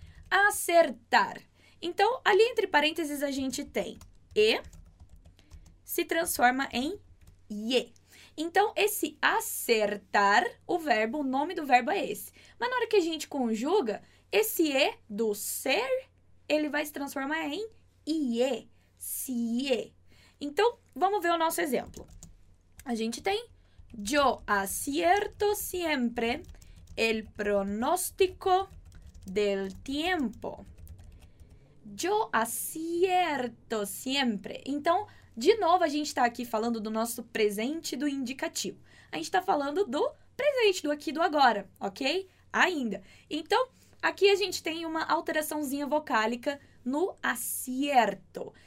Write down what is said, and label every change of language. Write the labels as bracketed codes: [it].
[pt] Acertar. Então, ali entre parênteses a gente tem e se transforma em ye. Então, esse acertar, o verbo, o nome do verbo é esse. Mas na hora que a gente conjuga, esse e do ser, ele vai se transformar em ie, se. Então, vamos ver o nosso exemplo. A gente tem: [es] yo acierto siempre el pronóstico del tiempo. Yo acierto siempre. [pt] Então, de novo, a gente está aqui falando do nosso presente do indicativo. A gente está falando do presente, do aqui, do agora, ok? Ainda. Então, aqui a gente tem uma alteraçãozinha vocálica no acierto.